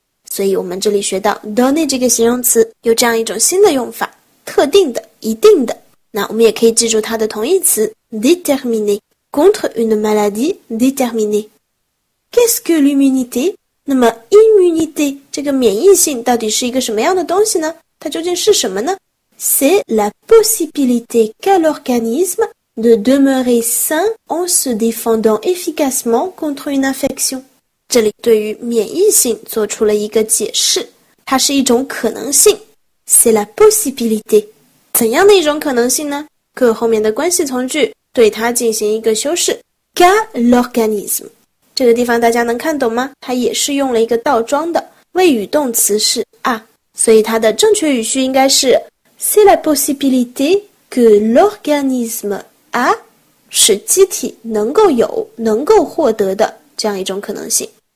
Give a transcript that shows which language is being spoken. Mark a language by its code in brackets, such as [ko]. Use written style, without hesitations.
[zh] 所以我们这里学到 donate 这个形容词有这样一种新的用法，特定的，一定的。那我们也可以记住它的同义词 [fr] déterminé contre une maladie déterminée。 Qu'est-ce que l'immunité? [zh] 那么 immunité 这个免疫性到底是一个什么样的东西呢？它究竟是什么呢？ [fr] C'est la possibilité qu'a l'organisme de demeurer sain en se défendant efficacement contre une infection. [zh] 这里对于免疫性做出了一个解释，它是一种可能性。 [fr] C'est la possibilité. [zh] 怎样的一种可能性呢？可后面的关系从句对它进行一个修饰。 [fr] qu'a l'organisme. [zh] 这个地方大家能看懂吗？它也是用了一个倒装的，谓语动词是 a， 所以它的正确语序应该是 [fr] C'est la possibilité que l'organisme a [zh] 是机体能够有能够获得的这样一种可能性。